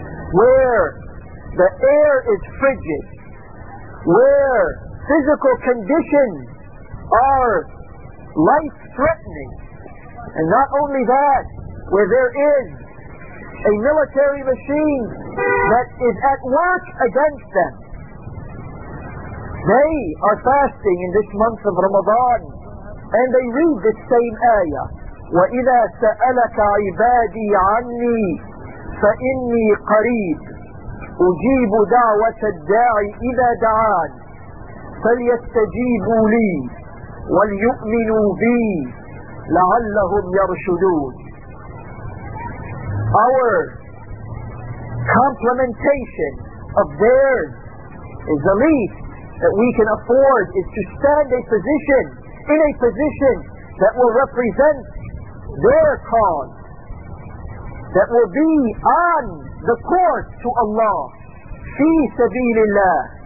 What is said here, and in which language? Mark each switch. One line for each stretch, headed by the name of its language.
English: where the air is frigid, where physical conditions are life-threatening, and not only that, where there is a military machine that is at work against them. They are fasting in this month of Ramadan, and they read this same ayah,
Arabic: وَإِذَا سَأَلَكَ عِبَادِي عَنِّي فَإِنِّي قَرِيبٌ أُجِيبُ دَعْوَةَ الدَّاعِ إِذَا دَعَانِ فَلْيَسْتَجِيبُوا لِي وَلْيُؤْمِنُوا بِي لَعَلَّهُمْ يَرْشُدُونَ.
English: Our complementation of theirs is the least that we can afford, is to stand a position, in a position that will represent their cause, that will be on the course to Allah, fi sabilillah.